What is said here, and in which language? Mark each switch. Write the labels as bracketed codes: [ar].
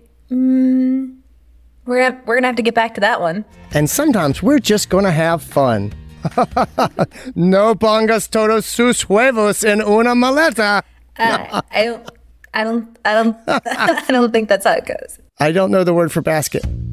[en] We're gonna have to get back to that one. And sometimes we're just gonna have fun. [es] No pongas todos sus huevos en una maleta. [en] I don't think that's how it goes. I don't know the word for basket.